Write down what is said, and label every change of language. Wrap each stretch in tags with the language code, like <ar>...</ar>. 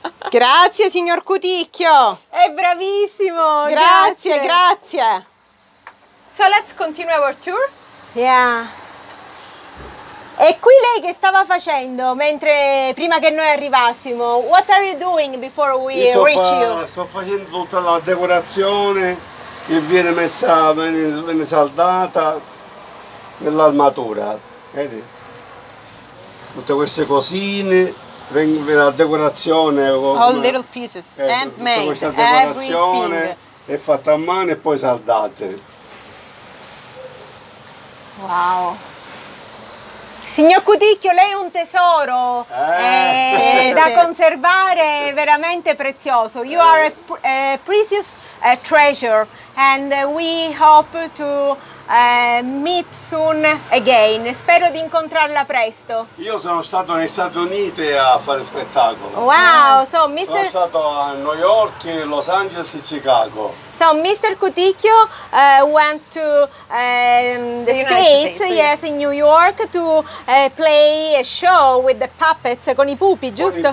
<it>Grazie signor Cuticchio. È bravissimo. Grazie, grazie.</it> <en>So let's continue our tour. Yeah.</en> <it>E qui lei che stava facendo mentre prima che noi arrivassimo?</it> <en>What are you doing before we reach you?</en> <it>Sto facendo tutta la decorazione che viene messa, viene saldata nell'armatura. Vedi? Tutte queste cosine, la decorazione.</it> <en>All little pieces, handmade.</en> <it>Tutta questa decorazione è fatta a mano e poi saldate.</it> <en>Wow.</en> <it>Signor Cuticchio, lei è un tesoro da conservare, veramente prezioso.</it> <en>You are a precious treasure and we hope to meet soon again.</en> <it>Spero di incontrarla presto. Io sono stato negli Stati Uniti a fare spettacolo.</it> <en>Wow, so Mr.</en> <it>Sono stato a New York, Los Angeles e Chicago.</it> <en>So Mr. Cuticchio went to the States, yes, in New York to play a show with the puppets,</en> <it>con i pupi, giusto?</it>